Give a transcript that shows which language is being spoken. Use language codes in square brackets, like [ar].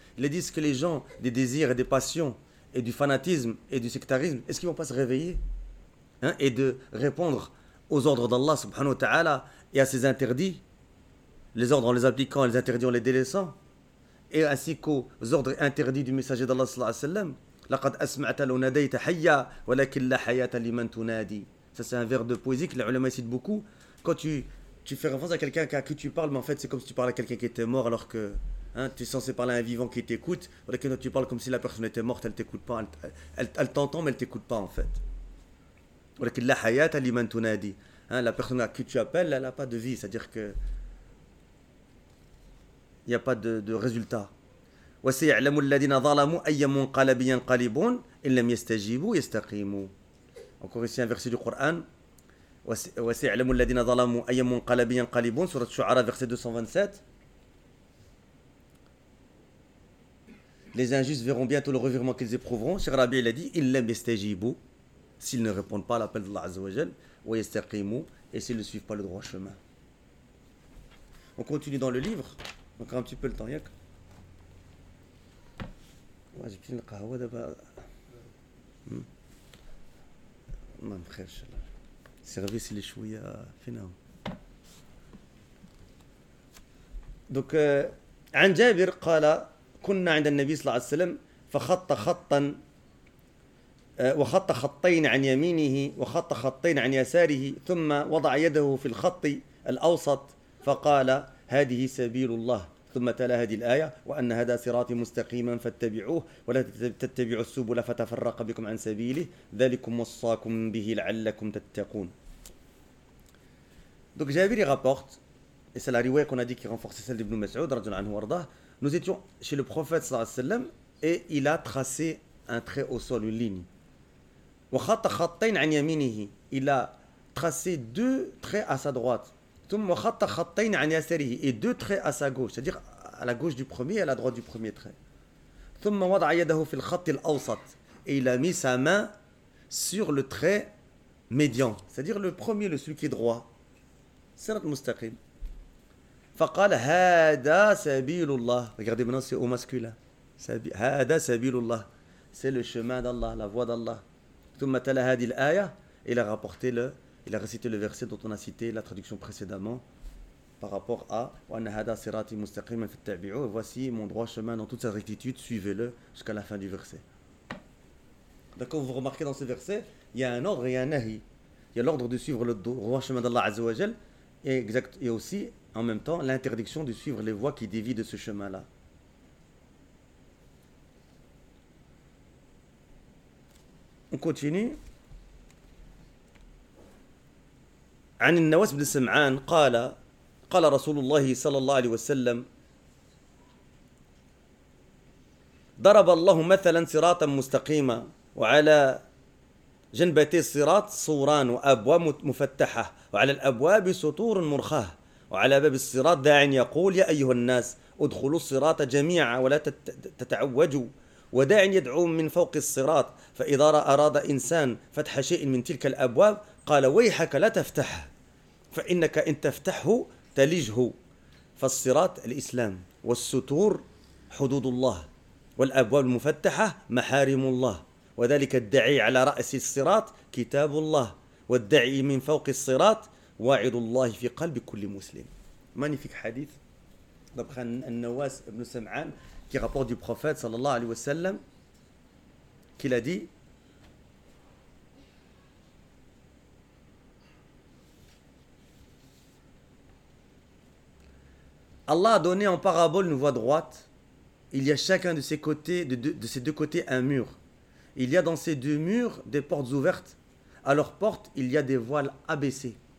[fr] Il a dit, est-ce que les gens des désirs et des passions et du fanatisme et du sectarisme, est-ce qu'ils vont pas se réveiller, hein, et de répondre aux ordres d'Allah [ar] subhanahu wa ta'ala [fr] et à ses interdits, les ordres en les appliquant, les interdits en les délaissant, et ainsi qu'aux ordres interdits du messager d'Allah [ar] sallallahu alayhi wa sallam. لقد أسمعت لو ناديت حيا ولكن لا حياة لمن تنادي. [fr] Ça c'est un vers de poésie que les ulama citent beaucoup. Quand tu fais référence à quelqu'un à qui tu parles, mais en fait c'est comme si tu parlais à quelqu'un qui était mort, alors que hein, tu es censé parler à un vivant qui t'écoute. Alors que tu parles comme si la personne était morte, elle t'écoute pas, elle t'entend mais elle t'écoute pas en fait. [ar] ولكن لا حياة لمن تنادي. [fr] Hein, la personne à qui tu appelles, elle a pas de vie, c'est-à-dire que il n'y a pas de résultat. [ar] وسيعلم الذين ظلموا أي منقلب ينقلبون إن لم يستجيبوا يستقيموا. [fr] Encore ici un verset du Coran. [ar] وسيعلم الذين ظلموا أي منقلب ينقلبون. سورة الشعراء [fr] verset 227. Les injustes verront bientôt le revirement qu'ils éprouveront. Cheikh Rabi l'a dit, [ar] إن لم يستجيبوا. [fr] S'ils ne répondent pas à l'appel d'Allah Azza wa Jal, [ar] ويستقيموا. [fr] Et s'ils ne suivent pas le droit chemin. On continue dans le livre. Encore un petit peu le temps, Yak. Ouais, j'ai pris le kahwa d'abord. Non, frère, Inch'Allah. Service, il est chouïa, finalement. Donc, [ar] An Jabir, qala, kunna inda nabi sallallahu alayhi wa sallam, fa khatta khattan, وخط خطين عن يمينه وخط خطين عن يساره ثم وضع يده في الخط الأوسط فقال هذه سبيل الله ثم تلا هذه الآية وأن هذا صراطي مستقيما فاتبعوه ولا تتبعوا السبل فتفرق بكم عن سبيله ذلكم وصاكم به لعلكم تتقون. [fr] Donc Jabir rapporte, et c'est la riwaya qu'on a dit qui renforce celle d'Ibn Mas'ud [ar] رضي الله عنه وارضاه. [fr] Nous étions chez le prophète [ar] صلى الله عليه وسلم [fr] et il a tracé un trait au sol, une ligne. [ar] وخط خطين عن يمينه. [fr] Il a tracé deux traits à sa droite. [ar] ثم وخط خطين عن يساره. [fr] Et deux traits à sa gauche. C'est-à-dire à la gauche du premier et à la droite du premier trait. [ar] ثم وضع يده في الخط الأوسط. [fr] Et il a mis sa main sur le trait médian. C'est-à-dire le premier, celui qui est droit. [ar] صراط مستقيم. فقال هذا سبيل الله. [fr] Regardez maintenant, c'est au masculin. [ar] هذا سبيل الله. [fr] C'est le chemin d'Allah, la voie d'Allah. Il a rapporté le, il a récité le verset dont on a cité la traduction précédemment par rapport à voici mon droit chemin dans toute sa rectitude, suivez-le jusqu'à la fin du verset. D'accord, vous remarquez dans ce verset, il y a un ordre et un nahi. Il y a l'ordre de suivre le droit chemin d'Allah Azza wa Jal et aussi en même temps l'interdiction de suivre les voies qui dévient de ce chemin-là. On continue. [ar] عن النواس بن سمعان قال قال رسول الله صلى الله عليه وسلم ضرب الله مثلا صراطا مستقيما وعلى جنبتي الصراط صوران وأبواب مفتحة وعلى الأبواب سطور مرخاة وعلى باب الصراط داع يقول يا أيها الناس ادخلوا الصراط جميعا ولا تتعوجوا وداع يدعو من فوق الصراط فإذا أراد إنسان فتح شيء من تلك الأبواب قال ويحك لا تفتح فإنك إن تفتحه تلجه فالصراط الإسلام والسطور حدود الله والأبواب المفتحة محارم الله وذلك الداعي على رأس الصراط كتاب الله والداعي من فوق الصراط واعظ الله في قلب كل مسلم. [fr] مانيفيك [ar] حديث دبخان النواس بن سمعان [fr] qui rapporte du prophète [ar] sallallahu alayhi wa sallam [fr] qu'il a dit Allah a donné en parabole une voie droite, il y a chacun de ses côtés, de ses deux côtés un mur, il y a dans ces deux murs des portes ouvertes, à leurs portes il y a des voiles abaissées